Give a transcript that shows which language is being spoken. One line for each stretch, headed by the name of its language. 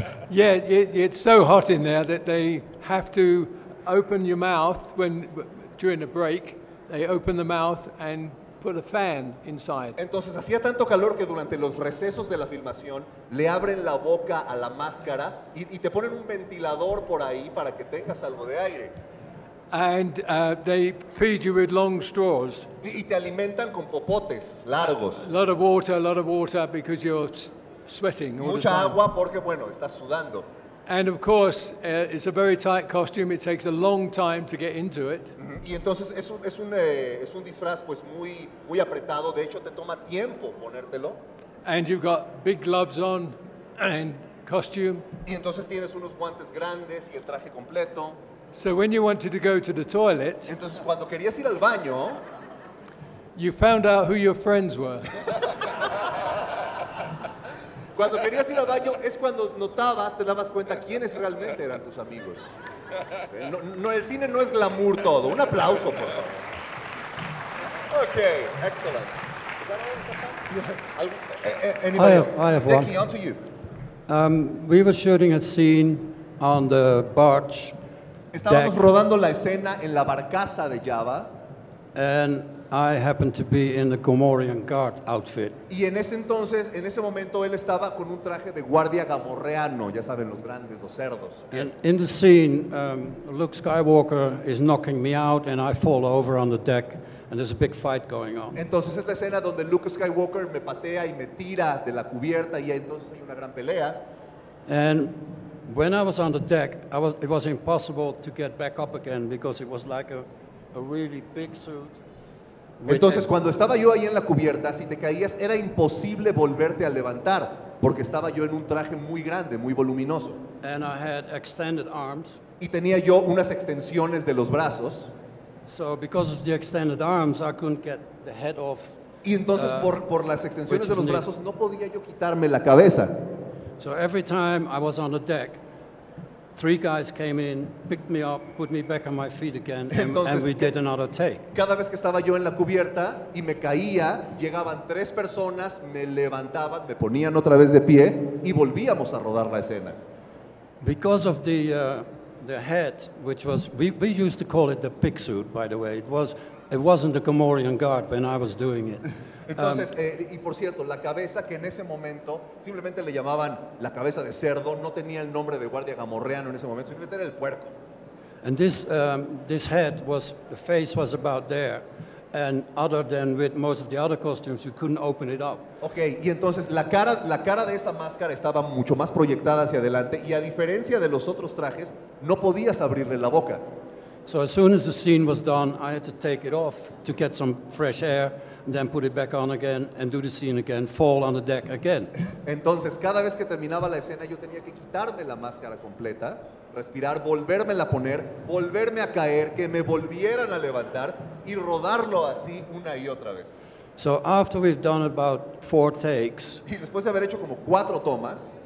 English: Yeah, it's so hot in there that they have to open your mouth when during a break. They open the mouth and put a fan inside.
Spanish: Entonces hacía tanto calor que durante los recesos de la filmación le abren la boca a la máscara y te ponen un ventilador por ahí para que tengas algo de aire.
English: And they feed you with long straws.
Spanish: Y te alimentan con popotes largos.
English: A lot of water, because you're sweating.
Spanish: Mucha agua porque, bueno, estás sudando.
English: And of course, it's a very tight costume. It takes a long time to get into it.
Spanish: Y entonces es un disfraz pues muy muy apretado. De hecho, te toma tiempo ponértelo.
English: And you've got big gloves on and costume.
Spanish: Y entonces tienes unos guantes grandes y el traje completo.
English: So when you wanted to go to the toilet,
Spanish: entonces, cuando querías ir al baño,
English: you found out who your friends were.
Spanish: Cuando querías ir al baño es cuando notabas, te dabas cuenta quiénes realmente eran tus amigos. No, el cine no es glamour todo. Un aplauso, por favor.
English: Okay, excellent. Is that all? Anybody else? I have one. Dickey, on to you. We were shooting a scene on the barge.
Spanish: Estábamos rodando la escena en la barcaza de Jabba.
English: And I happened to be in the Gamorrean guard outfit.
Spanish: Y en ese entonces, en ese momento, él estaba con un traje de guardia gamorreano, ya saben, los grandes, los cerdos.
English: And in the scene, Luke Skywalker is knocking me out and I fall over on the deck and there's a big fight going on.
Spanish: Entonces es la escena donde Luke Skywalker me patea y me tira de la cubierta y entonces hay una gran pelea.
English: And when I was on the deck, it was impossible to get back up again because it was like a really big suit.
Spanish: Entonces, cuando estaba yo ahí en la cubierta, si te caías, era imposible volverte a levantar porque estaba yo en un traje muy grande, muy voluminoso.
English: And I had extended arms.
Spanish: Y tenía yo unas extensiones de los brazos.
English: So because of the extended arms, I couldn't get the head off.
Spanish: Y entonces, por las extensiones de los brazos, no podía yo quitarme la cabeza.
English: So every time I was on the deck, three guys came in, picked me up, put me back on my feet again, and we did another take.
Spanish: Cada vez que estaba yo en la cubierta y me caía, llegaban tres personas, me levantaban, me ponían otra vez de pie y volvíamos a rodar la escena.
English: Because of the head, which was we used to call it the pig suit, by the way, it wasn't the Gamorrean guard when I was doing it.
Spanish: Entonces, y por cierto, la cabeza que en ese momento simplemente le llamaban la cabeza de cerdo, no tenía el nombre de guardia gamorreano en ese momento, simplemente era el puerco.
English: And this head was, the face was about there, and other than with most of the other costumes, you couldn't open it up.
Spanish: Okay, y entonces la cara de esa máscara estaba mucho más proyectada hacia adelante, y a diferencia de los otros trajes, no podías abrirle la boca.
English: So as soon as the scene was done, I had to take it off to get some fresh air, then put it back on again and do the scene again, fall on the deck again.
Spanish: Entonces, cada vez que terminaba la escena, yo tenía que quitarme la máscara completa, respirar, volvérmela a poner, volverme a caer, que me volvieran a levantar y rodarlo así una y otra vez.
English: So after we've done about four takes,
Spanish: y después de haber hecho como cuatro tomas,